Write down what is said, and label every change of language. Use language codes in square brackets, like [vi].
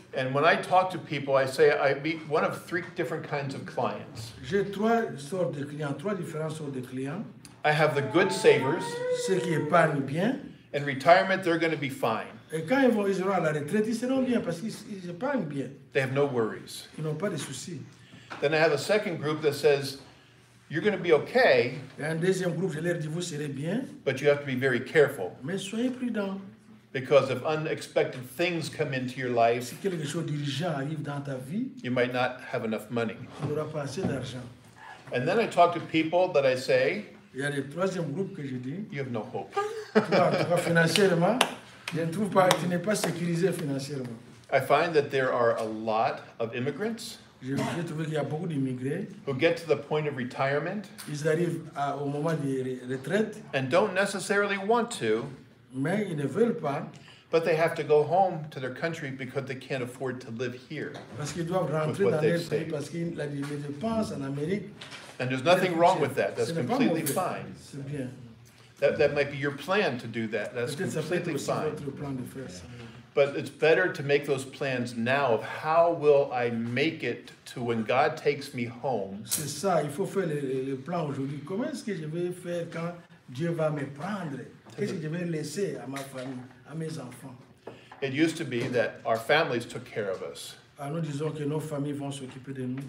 [en] And when I talk to people, I say I meet one of three different kinds of clients. [fr] J'ai trois sortes de clients, trois différentes sortes de clients. [en] I have the good savers. [fr] Ceux qui épargnent bien. [en] In retirement, they're going to be fine. [fr] Et quand ils vont à la retraite, ils seront bien parce qu'ils épargnent bien. [en] They have no worries. [fr] Ils n'ont pas de soucis. [en] Then I have a second group that says, you're going to be okay. [fr] Et un deuxième groupe, je leur dis, vous serez bien. [en] But you have to be very careful. [fr] Mais soyez prudent. [en] Because if unexpected things come into your life, [fr] si quelque chose d'urgent arrive dans ta vie, [en] you might not have enough money. [fr] Tu n'auras pas assez d'argent. [en] And then I talk to people that I say, [fr] il y a le troisième groupe que je dis, [en] you have no hope. [fr] Toi, financièrement, je ne trouve pas, tu n'es pas sécurisé financièrement. [en] I find that there are a lot of immigrants [fr] j'ai trouvé qu'il y a beaucoup d'immigrés [en] who get to the point of retirement, [fr] ils arrivent au moment de retraite, [en] and don't necessarily want to, [fr] mais ils ne veulent pas, [en] but they have to go home to their country because they can't afford to live here. [fr] Parce qu'ils doivent rentrer dans leur pays parce qu'ils ne vivent pas en Amérique. [en] And there's nothing wrong with that. That's completely fine. [fr] C'est bien. [en] That might be your plan to do that. That's completely fine. But it's better to make those plans now of how will I make it to when God takes me home. [fr] C'est ça, il faut faire le plan aujourd'hui. Comment est-ce que je vais faire quand Dieu va me prendre? Qu'est-ce que je vais laisser à ma famille, à mes enfants? [en] It used to be that our families took care of us. [fr] Nous disons que nos familles vont s'occuper de nous.